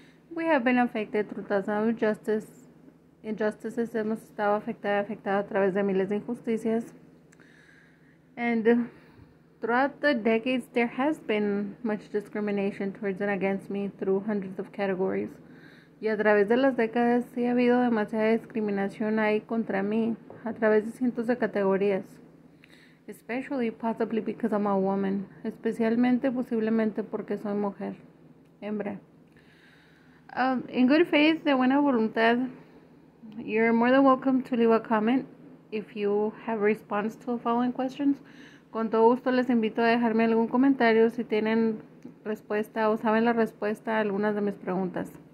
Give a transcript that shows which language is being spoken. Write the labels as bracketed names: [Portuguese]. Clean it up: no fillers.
[English] We have been affected through thousands of injustices. [Spanish] Hemos estado afectada a través de miles de injusticias. [English] And throughout the decades, there has been much discrimination towards and against me through hundreds of categories. [Spanish] Y a través de las décadas sí ha habido demasiada discriminación ahí contra mí, a través de cientos de categorías. [English] Especially, possibly because I'm a woman. [Spanish] Especialmente, posiblemente, porque soy mujer. Hembra. [English] In good faith, [Spanish] de buena voluntad, [English] you're more than welcome to leave a comment if you have response to the following questions. [Spanish] Con todo gusto les invito a dejarme algún comentario si tienen respuesta o saben la respuesta a algunas de mis preguntas.